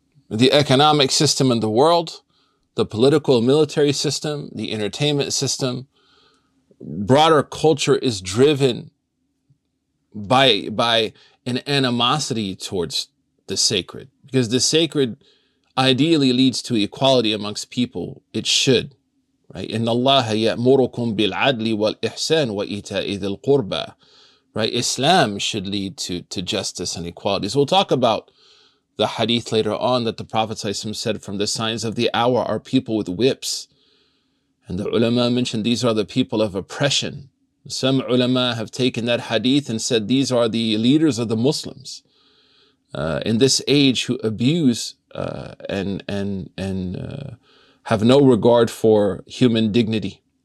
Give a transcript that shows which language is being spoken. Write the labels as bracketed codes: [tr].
[en] The economic system in the world, the political and military system, the entertainment system, broader culture is driven by an animosity towards the sacred. Because the sacred ideally leads to equality amongst people. It should, right? [ar] إن الله يأمركم بالعدل والإحسان وإيتاء ذي القربى. [en] Right, Islam should lead to justice and equality. So we'll talk about the hadith later on that the Prophet said, from the signs of the hour are people with whips. And the ulama mentioned these are the people of oppression. Some ulama have taken that hadith and said these are the leaders of the Muslims in this age who abuse have no regard for human dignity.